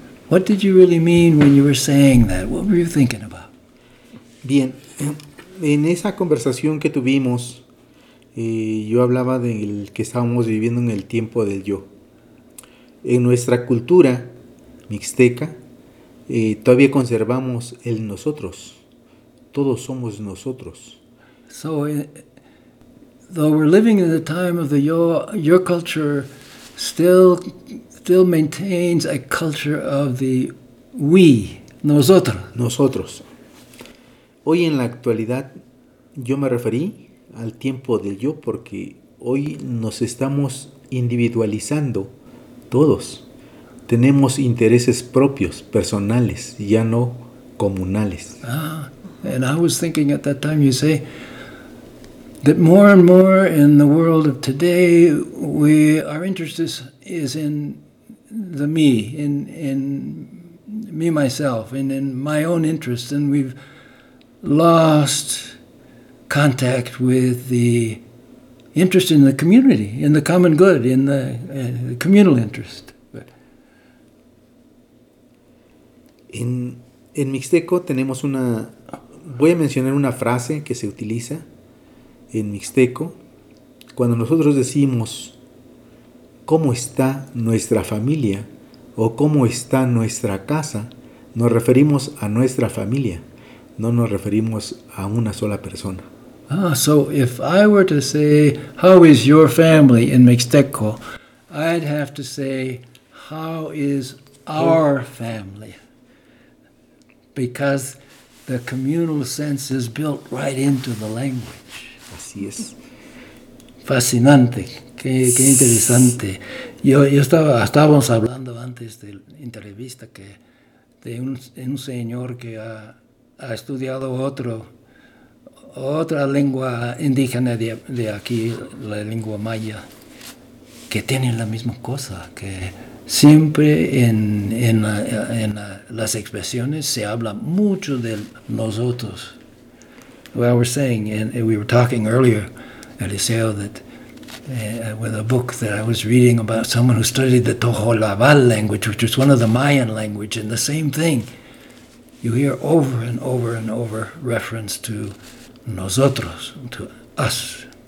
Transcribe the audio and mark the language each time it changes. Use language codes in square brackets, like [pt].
[en] What did you really mean when you were saying that? What were you thinking about? [es] Bien, en esa conversación que tuvimos, yo hablaba de que estábamos viviendo en el tiempo del yo. En nuestra cultura mixteca, todavía conservamos el nosotros. Todos somos nosotros. [en] So, though we're living in the time of the yo, your culture still maintains a culture of the we, nosotros. [es] Nosotros. Hoy en la actualidad, yo me referí al tiempo del yo porque hoy nos estamos individualizando todos. Tenemos intereses propios, personales, ya no comunales. [en] And I was thinking at that time, you say, that more and more in the world of today, our interest is in the me, in me myself, and in my own interest, and we've lost contact with the interest in the community, in the common good, in the communal interest. [es] En mixteco tenemos una, voy a mencionar una frase que se utiliza en mixteco, cuando nosotros decimos cómo está nuestra familia o cómo está nuestra casa, nos referimos a nuestra familia, no nos referimos a una sola persona. [en] So if I were to say, how is your family in mixteco, I'd have to say, how is our family? Because the communal sense is built right into the language. [es] Así es. Fascinante. Qué interesante. Yo estábamos hablando antes de la entrevista que de un señor que ha estudiado otra lengua indígena de aquí, la lengua maya, que tiene la misma cosa, que siempre en las expresiones se habla mucho de nosotros. [en] Well, we're saying, and we were talking earlier, Eliseo, that with a book that I was reading about someone who studied the Toholabal language, which is one of the Mayan language, and the same thing. You hear over and over and over reference to nosotros, to us.